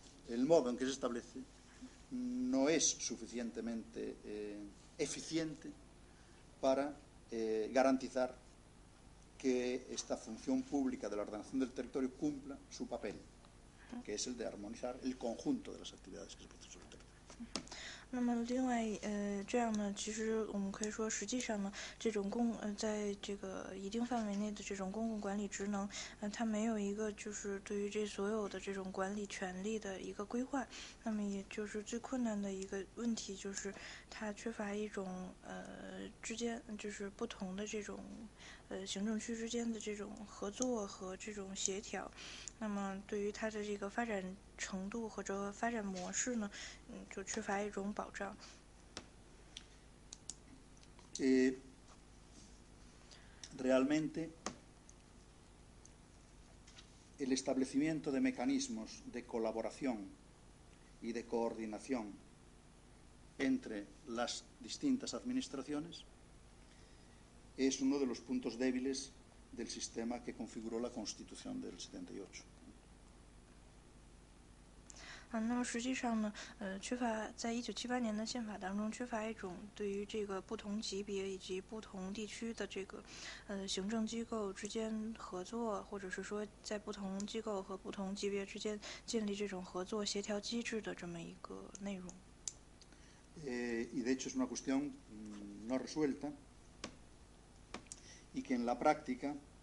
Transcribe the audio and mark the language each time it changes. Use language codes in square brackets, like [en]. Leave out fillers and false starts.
[es] el modo en que se establece no es suficientemente eficiente para garantizar que esta función pública de la ordenación del territorio cumpla su papel, que es el de armonizar el conjunto de las actividades que se producen sobre el territorio. [zh] 那么另外这样呢，其实我们可以说实际上呢，这种在这个一定范围内的这种公共管理职能它没有一个就是对于这所有的这种管理权利的一个规划，那么也就是最困难的一个问题就是它缺乏一种之间就是不同的这种行政区之间的这种合作和这种协调，那么对于它的这个发展程度或者发展模式呢，就缺乏一种保障。 [es] Realmente, el establecimiento de mecanismos de colaboración y de coordinación entre las distintas administraciones es uno de los puntos débiles del sistema que configuró la Constitución del 78. [zh] 那么实际上呢，缺乏在1978年的宪法当中缺乏一种对于这个不同级别以及不同地区的这个行政机构之间合作，或者是说在不同机构和不同级别之间建立这种合作协调机制的这么一个内容。 [es] Y de hecho es una cuestión no resuelta y que en la práctica